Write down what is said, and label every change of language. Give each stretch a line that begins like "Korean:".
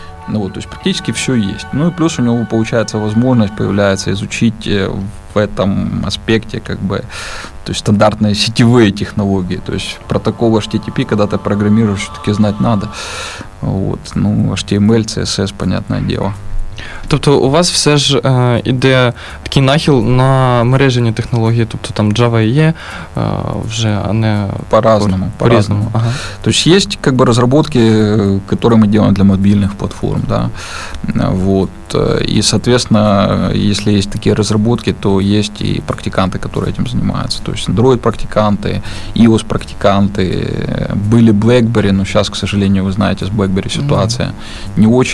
Russian: Ну вот, то есть практически все есть. Ну и плюс у него получается возможность появляется изучить в этом аспекте как бы, то есть стандартные сетевые технологии. То есть протокол HTTP, когда ты программируешь, все-таки знать надо. Вот, ну HTML, CSS, понятное дело.
Ukrainian: Тобто у вас все ж іде такий нахил на мережені технології, тобто там Java є вже, а не...
Russian: По-разному, по-разному. Ага.
Ukrainian: Тобто є как бы, розробки, які ми робимо для мобільних платформ, да? Вот. І, відповідно, якщо є такі розробки, то є і практиканти, які цим займаються. Тобто Android-практиканти, iOS-практиканти, були BlackBerry, але зараз,
Russian: к сожалению,
Ukrainian: ви знаєте, з BlackBerry ситуація не дуже.